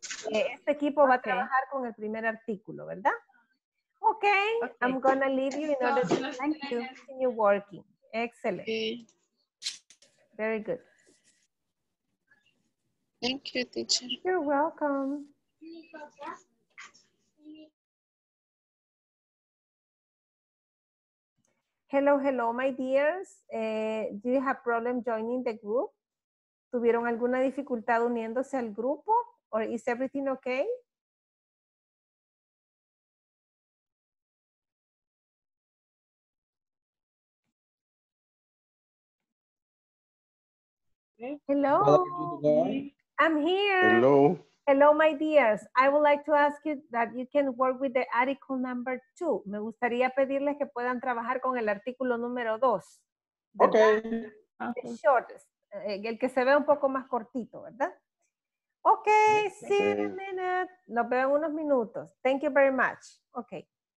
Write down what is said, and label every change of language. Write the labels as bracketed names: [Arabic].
[Spanish] Este equipo va a trabajar con el primer artículo, ¿verdad? [English] Okay, I'm gonna leave you in order to thank you to continue working. Excellent. Okay. Very good. Thank you, teacher. You're welcome. Hello, hello, my dears. Do you have problem joining the group? [Spanish] ¿Tuvieron alguna dificultad uniéndose al grupo? [English] Or is everything okay? Hello. I'm here. Hello. Hello, my dears. I would like to ask you that you can work with the article number two. [Spanish] Me gustaría pedirles que puedan trabajar con el artículo número dos. [English] Okay. The shortest, [Spanish] el que se ve un poco más cortito, ¿verdad? [English] Okay, see you in a minute. [Spanish] Nos vemos en unos minutos. [English] Thank you very much. Okay.